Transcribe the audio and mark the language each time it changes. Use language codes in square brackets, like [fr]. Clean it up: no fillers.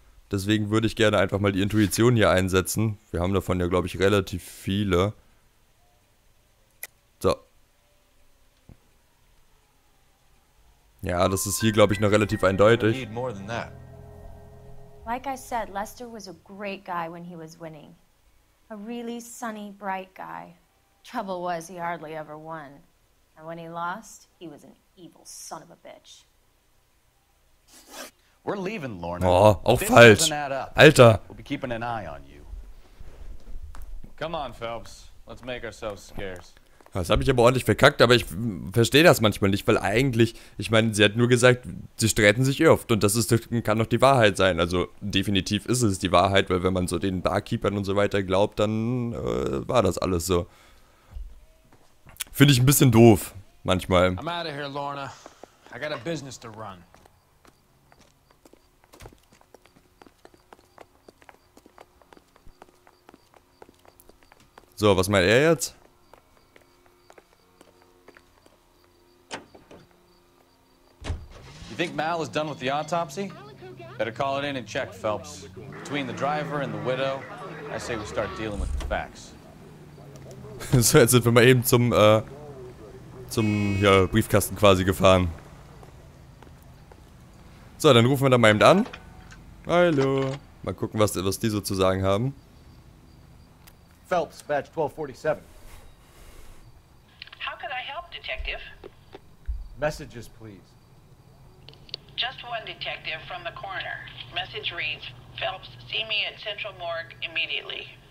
[de] Deswegen würde ich gerne einfach mal die Intuition hier einsetzen. Wir haben davon ja, glaube ich, relativ viele. So. Ja, das ist hier, glaube ich, noch relativ eindeutig. [en] Like I said, Lester was a great guy when he was winning. A really sunny, bright guy. Trouble was, he hardly ever won. And when he lost, he was an evil son of a bitch. We're leaving, Lorna. [de] Oh, auch falsch. Alter. [en] We'll be keeping an eye on you. Come on, Phelps. Let's make ourselves scarce. [de] Das habe ich aber ordentlich verkackt, aber ich verstehe das manchmal nicht, weil eigentlich, ich meine, sie hat nur gesagt, sie streiten sich oft und kann doch die Wahrheit sein. Also definitiv ist es die Wahrheit, weil wenn man so den Barkeepern und so weiter glaubt, dann war das alles so. Finde ich ein bisschen doof, manchmal. [en] I'm out of here, Lorna. I got a business to run. [de] So, was meint er jetzt? [en] Think Mal is done with the autopsy? Better call it in and check, Phelps. Between the driver and the widow, I say we start dealing with the facts. [de] So, jetzt sind wir mal eben zum Briefkasten quasi gefahren. So, dann rufen wir da mal eben an. Hallo. Mal gucken, was die so zu sagen haben. [en] Phelps, Badge 1247. How can I help, Detective? Messages, please. Just one detective from the coroner. Message reads, Phelps, see me at Central Morgue immediately.